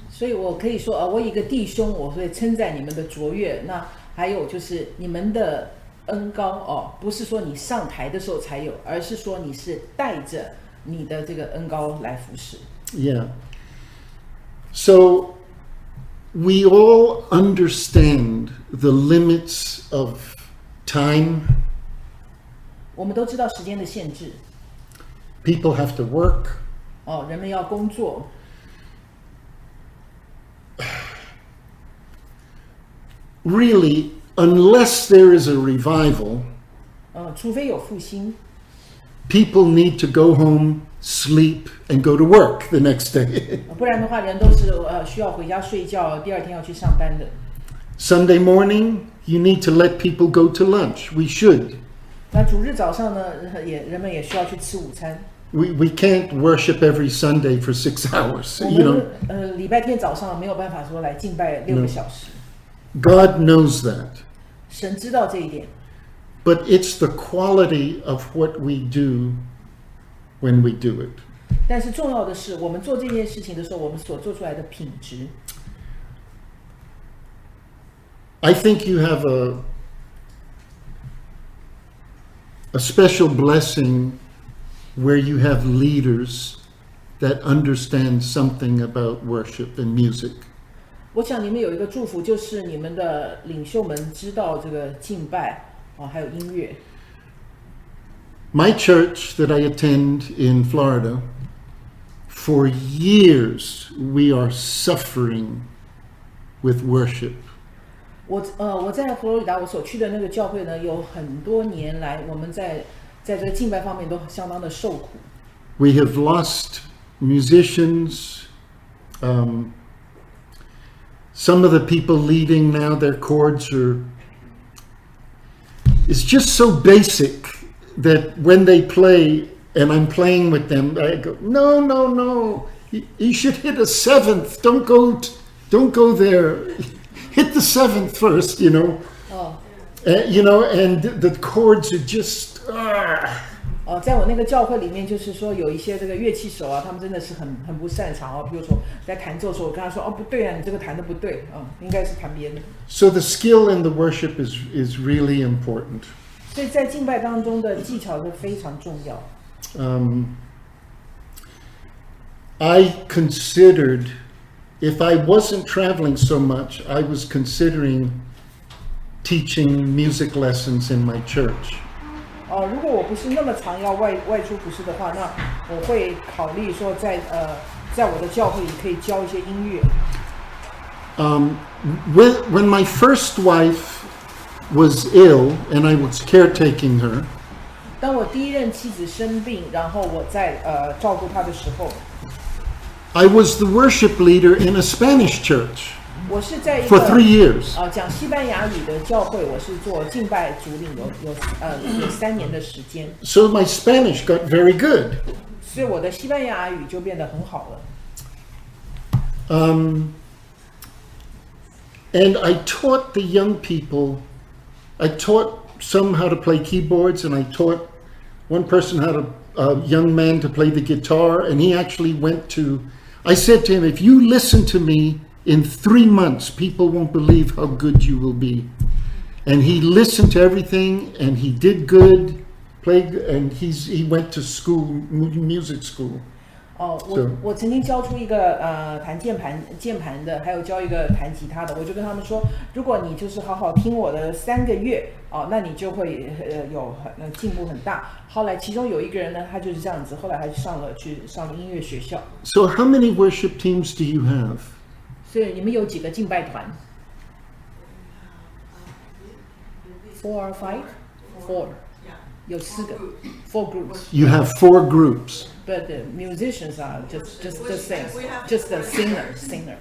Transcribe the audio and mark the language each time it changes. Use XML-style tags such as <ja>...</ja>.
<zh>所以我可以说，我一个弟兄，我会称赞你们的卓越。那还有就是你们的恩膏不是说你上台的时候才有，而是说你是带着你的这个恩膏来服侍。</zh> <en>Yeah. So we all understand the limits of time.</en> <zh>我们都知道时间的限制。</zh> <en>People have to work.</en> <zh>人们要工作。</zh> <en>Really.Unless there is a revival,</en> <zh>除非有复兴。</zh> <en>People need to go home, sleep, and go to work the next day.</en> <zh>不然的话，人都是需要回家睡觉，第二天要去上班的。</zh> <en>Sunday morning, you need to let people go to lunch. We should.</en> <zh>那主日早上呢，也人们也需要去吃午餐。</zh> <en>We can't worship every Sunday for 6 hours, you know.</en> <zh>礼拜天早上没有办法说来敬拜六个小时。</zh> <en>God knows that.</en> <zh>神知道这一点。</zh> <en>But it's the quality of what we do when we do it.</en> <zh>但是重要的是，我们做这件事情的时候，我们所做出来的品质。</zh> <en>I think you have a special blessing where you have leaders that understand something about worship and music.</en> <zh>我想你们有一个祝福，就是你们的领袖们知道这个敬拜。</zh> <en>My church that I attend in Florida, for years we are suffering with worship.</en> <zh>我在佛罗里达我所去的那个教会呢，有很多年来我们在这个敬拜方面都相当的受苦。</zh> <en>We have lost musicians. Some of the people leading now, their chords are. It's just so basic that when they play and I'm playing with them, I go, no, no, no, you should hit a seventh. Don't go there. Hit the seventh first, you know.、you know, and the chords are just,</en> <zh>哦，在我那个教会里面，就是说有一些这个乐器手啊，他们真的是很不擅长啊。比如说在弹奏的时候，我跟他说：“哦，不对啊，你这个弹的不对啊、嗯，应该是弹别的。”</zh> <en>So the skill in the worship is really important.</en> <zh>所以在敬拜当中的技巧是非常重要。</zh> <en>I considered if I wasn't traveling so much, I was considering teaching music lessons in my church.</en> <zh>如果我不是那么常要外出服事的话，那我会考虑说在我的教会里可以教一些音乐。</zh> <en>When my first wife was ill and I was caretaking her,</en> <zh>当我第一任妻子生病，然后我在照顾她的时候</zh> <en>，I was the worship leader in a Spanish church.</en> <zh>我是在一个</zh> <en>for 3 years.</en> <zh>讲西班牙语的教会，我是做敬拜主领有3年的时间。</zh> <en>So my Spanish got very good.</en> <zh>所以我的西班牙语就变得很好了。</zh> <en>And I taught the young people. I taught some how to play keyboards, and I taught one person how to a young man to play the guitar. And he actually went to. I said to him, "If you listen to me." In 3 months, people won't believe how good you will be. And he listened to everything, and he did good, played, and he went to school, music school.</en> <zh>我曾经教出一个弹键盘的，还有教一个弹吉他的，我就跟他们说，如果你就是好好听我的3个月，那你就会有进步很大。后来其中有一个人呢，他就是这样子，后来还去上了音乐学校。</zh> <en>So how many worship teams do you have?</en> <zh>所以你们有几个敬拜团 ？</zh> <en>Four or five? Four.</en> <zh>有四个 ，</zh> <en>four groups. You have four groups. But the musicians are just the singers. Just the singer.</en>